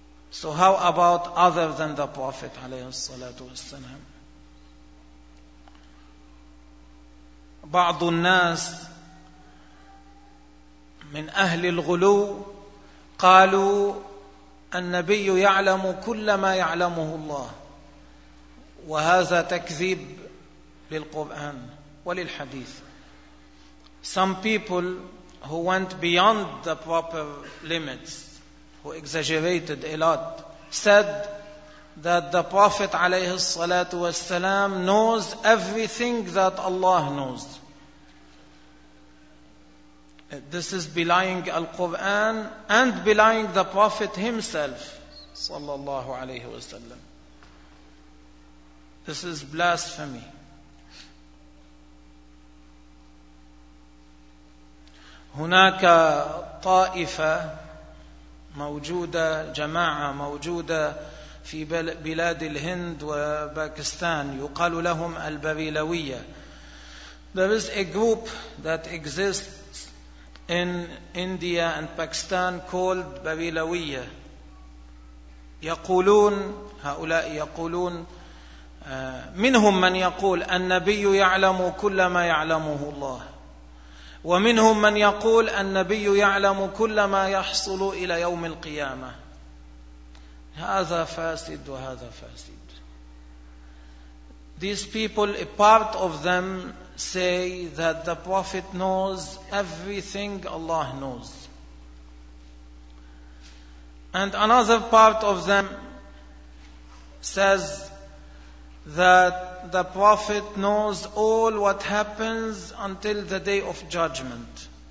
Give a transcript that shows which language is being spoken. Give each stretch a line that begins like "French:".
English: So how about other than the Prophet
Arabic: عليه الصلاة والسلام؟ بعض الناس من أهل الغلو قالوا النبي يعلم كل ما يعلمه الله، وهذا تكذيب للقرآن وللحديث.
English: Some people who went beyond the proper limits, who exaggerated a lot, said that the Prophet
Arabic: عليه الصلاة والسلام
English: knows everything that Allah knows. This is belying Al-Quran and belying the Prophet himself
Arabic: صلى الله عليه وسلم.
English: This is blasphemy.
Arabic: هناك طائفة موجودة، جماعة موجودة في بلاد الهند وباكستان، يقال لهم البريلوية.
English: There is a group that exists in India and Pakistan called بريلوية.
Arabic: يقولون، هؤلاء يقولون، منهم من يقول النبي يعلم كل ما يعلمه الله، ومنهم من يقول النبي يعلم كل ما يحصل إلى يوم القيامة. هذا فاسد وهذا فاسد.
English: These people, a part of them say that the Prophet knows everything Allah knows. And another part of them says that the Prophet knows all what happens until the day of judgment.